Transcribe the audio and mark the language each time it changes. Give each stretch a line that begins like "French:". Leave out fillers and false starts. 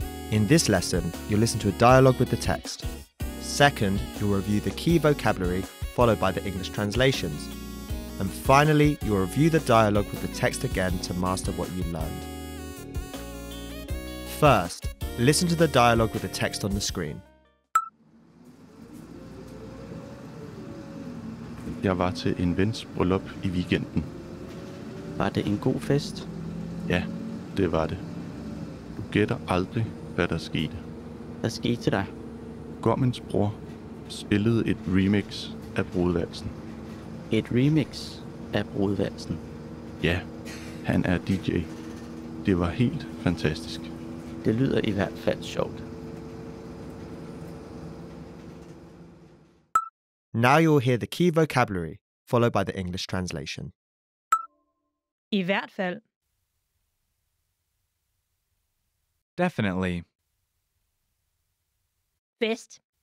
English: In this lesson, you'll listen to a dialogue with the text. Second, you'll review the key vocabulary followed by the English translations. And finally, you'll review the dialogue with the text again to master what you learned. First, listen to the dialogue with the text on the screen.
Danish: Jeg var til en vens bryllup i weekenden. Var det en god fest? Ja, det var det. Du gætter aldrig, hvad der skete. Hvad skete til dig? Gommens bror spillede et remix af brudevalsen. Et remix af brudevalsen? Ja, han er DJ. Det var helt fantastisk. Det lyder i hvert fald sjovt.
English: Now you'll hear the key vocabulary, followed by the English translation.
Danish: I hvert fald.
English: Definitely. Best.